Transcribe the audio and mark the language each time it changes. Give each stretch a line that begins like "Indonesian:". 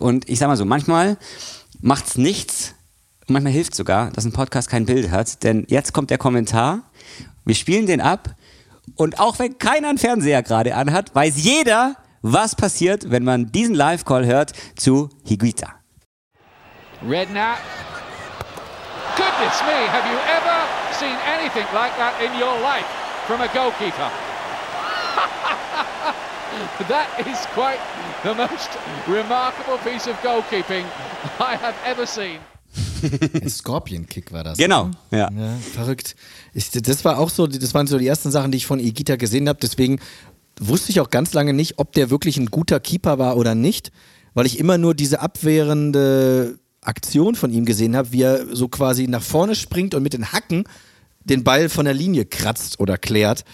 German: Und ich sag mal so, manchmal macht's nichts, manchmal hilft sogar, dass ein Podcast kein Bild hat, denn jetzt kommt der Kommentar. Wir spielen den ab und auch wenn keiner einen Fernseher gerade anhat, weiß jeder, was passiert, wenn man diesen Live-Call hört zu Higuita. Redknapp.
English: Goodness me, have you ever seen anything like that in your life from a goalkeeper? That is quite the most remarkable piece of goalkeeping I have ever seen.
German: Ein Scorpion-Kick war das. Genau, ja. Ja, verrückt. Das war auch so, das waren so die ersten Sachen, die ich von Higuita gesehen habe. Deswegen wusste ich auch ganz lange nicht, ob der wirklich ein guter Keeper war oder nicht, weil ich immer nur diese abwehrende Aktion von ihm gesehen habe, wie er so quasi nach vorne springt und mit den Hacken den Ball von der Linie kratzt oder klärt.